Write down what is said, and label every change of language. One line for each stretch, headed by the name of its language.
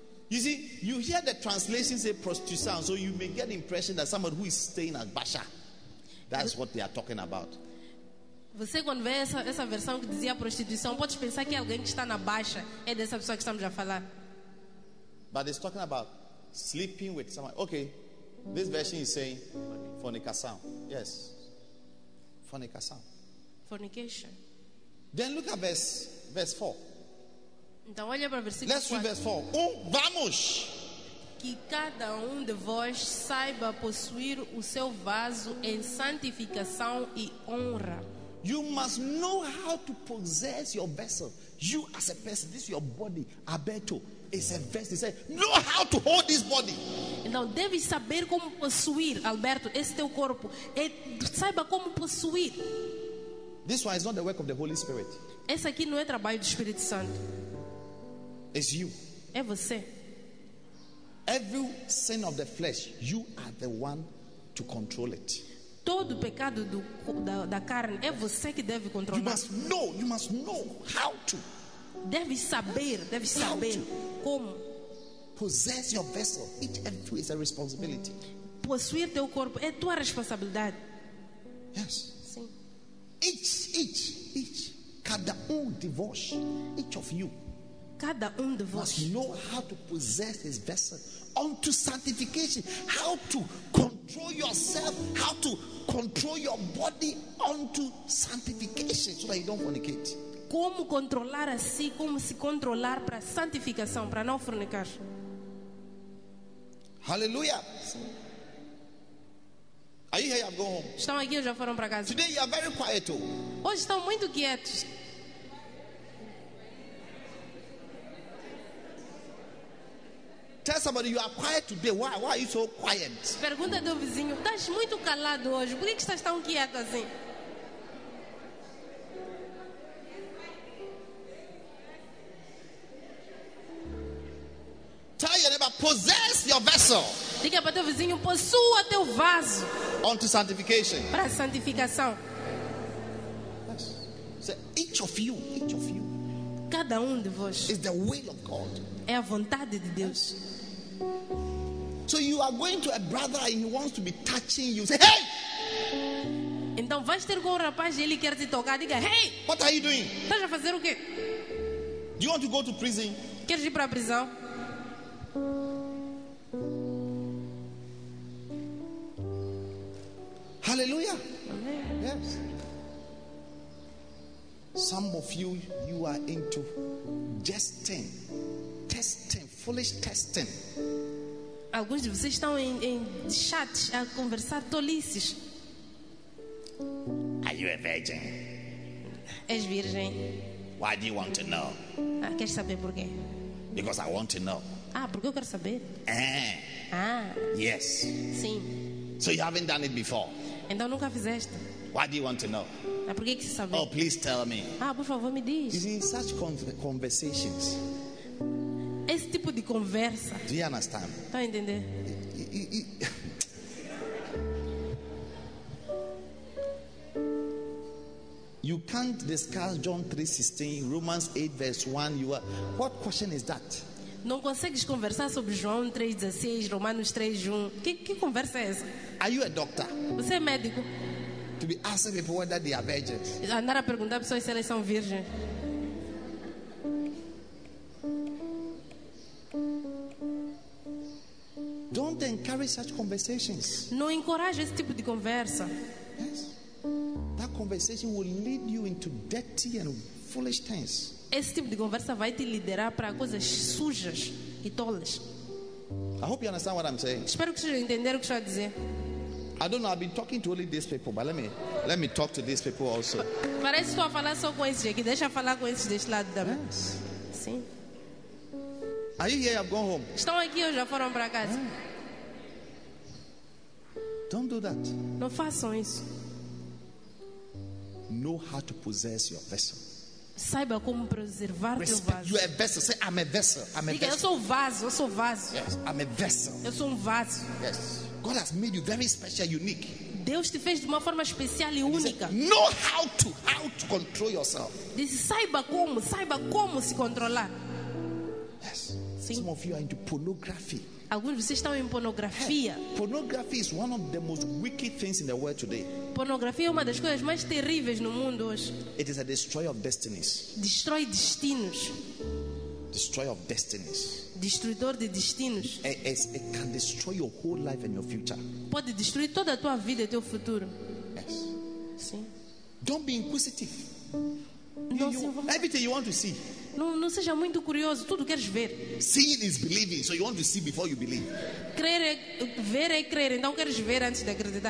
English: You see, you hear the translation say prostitution, so you may get the impression that someone who is staying at Basha. That's what they are talking about.
Portuguese: Você quando vê essa versão que dizia prostituição, pode pensar que alguém que está na Baixa é dessa pessoa que estamos a falar.
English: But it's talking about sleeping with someone. Okay. This version is saying fornication. Yes. Fornication. Fornication. Then look at verse 4.
Portuguese: Então olha para o versículo
English: 4. Let's read verse 4.
Portuguese: Vamos! Que cada de vós saiba possuir o seu vaso em santificação e honra.
English: You must know how to possess your vessel. You as a person, this is your body, Alberto. It's a vessel. It's a, know how to hold this body.
Portuguese: Então, deve saber como possuir, Alberto, esse teu corpo. E saiba como possuir.
English: This one is not the work of the Holy Spirit.
Portuguese: Esse aqui não é trabalho do Espírito Santo.
English: It's you.
Portuguese: É você.
English: Every sin of the flesh, you are the one to control it.
Portuguese: Todo pecado da carne é você que deve controlar.
English: You must know how to.
Portuguese: Deve saber como.
English: Possess your vessel. Each and every is a responsibility.
Portuguese: Possuir teu corpo é tua responsabilidade.
English: Yes.
Portuguese: Sim.
English: Each.
Portuguese: Cada de vós.
English: Each of you.
Portuguese: Cada de vós.
English: Must know how to possess his vessel unto sanctification. How to control yourself. How to control your body unto sanctification so that you don't fornicate.
Portuguese: Como controlar a si, como se controlar para santificação, para não fornicar.
English: Hallelujah. Are you here? I'm going home.
Portuguese: Estão aqui ou já foram para casa?
English: Today you are very quiet.
Portuguese: Hoje estão muito quietos.
English: Tell somebody you are quiet today. Why are you so quiet?
Portuguese: Pergunta do vizinho. Estás muito calado hoje. Por que estás tão quieto assim?
English: possess your vessel.
Portuguese: Diga para teu vizinho, possua teu vaso.
English: Unto sanctification.
Portuguese: Para a santificação.
English: Yes. So each of you,
Portuguese: cada de vós,
English: is the will of God.
Portuguese: É a vontade de Deus.
English: So you are going to a brother and he wants to be touching you. Say, hey!
Portuguese: Então vais ter com um rapaz e ele quer te tocar. Diga, hey!
English: What are you doing?
Portuguese: Estás a fazer o quê?
English: Do you want to go to prison?
Portuguese: Queres ir para a prisão?
English: Hallelujah. Amen. Yes. Some of you, you are into jesting, testing, foolish testing.
Portuguese: Alguns de vocês estão em chat a conversar tolices.
English: Are you a virgin?
Portuguese: És virgem.
English: Why do you want to know?
Portuguese: Ah, queres saber por quê?
English: Because I want to know.
Portuguese: Ah, porque eu quero saber. Ah.
English: Yes.
Portuguese: Sim.
English: So you haven't done it before.
Portuguese: Então nunca fizeste.
English: Why do you want to know?
Portuguese: Ah, por que queres saber?
English: Oh, please tell me.
Portuguese: Ah, por favor, me diz.
English: You see, such conversations.
Portuguese: Esse tipo de conversa.
English: Do you understand?
Portuguese: Tá a entender?
English: You can't discuss John 3:16, Romans 8 verse 1. You are, what question is that?
Portuguese: Não consegues conversar sobre João 3:16, Romanos 3:1. Que conversa é essa?
English: Are you a doctor?
Portuguese: Você é médico?
English: To be asking people whether they are virgins.
Portuguese: Andar a perguntar pessoas se elas são virgens.
English: Don't encourage such conversations.
Portuguese: Não encoraje esse tipo de conversa.
English: Yes. That conversation will lead you into dirty and foolish things.
Portuguese: Esse tipo de conversa vai te liderar para coisas sujas e tolas.
English: I hope you understand what I'm saying.
Portuguese: Espero que vocês entendam o que estou a dizer.
English: I don't know, I've been talking to only these people, but let me talk to these people also.
Portuguese: Parece que estou a falar só com esses aqui, deixa eu falar com esses deste lado também.
English: Yes.
Portuguese: Sim.
English: Are you here? I've gone home.
Portuguese: Estão aqui ou já foram para casa?
English: Yeah. Don't do that.
Portuguese: Não façam isso.
English: Know how to possess your vessel.
Portuguese: Saiba como preservar
English: respect
Portuguese: teu vaso.
English: You are a vessel. Say, I'm a vessel. I'm a vessel.
Portuguese: Eu sou vaso. Eu sou vaso.
English: Yes, I'm a vessel.
Portuguese: Eu sou vaso.
English: Yes. God has made you very special, unique.
Portuguese: Deus te fez de uma forma especial e única.
English: Said, know how to control yourself.
Portuguese: Diz, saiba como se controlar.
English: Yes.
Portuguese: Sim.
English: Some of you are into pornography.
Portuguese: Alguns de vocês estão em pornografia.
English: Hey, pornography is one of the most wicked things in the world today.
Portuguese: Pornografia é uma das coisas mais terríveis no mundo hoje.
English: It is a destroyer of destinies.
Portuguese: Destrói destinos.
English: Destroyer of destinies.
Portuguese: Destruidor de destinos.
English: It can destroy your whole life and your future.
Portuguese: Pode destruir toda a tua vida e teu futuro.
English: Yes.
Portuguese: Sim.
English: Don't be inquisitive.
Portuguese: Não,
English: everything you want to see.
Portuguese: Não seja muito curioso, tudo queres ver.
English: Seeing is believing, so you want to see before you believe.
Portuguese: Crer é ver, é crer, então queres ver antes de acreditar.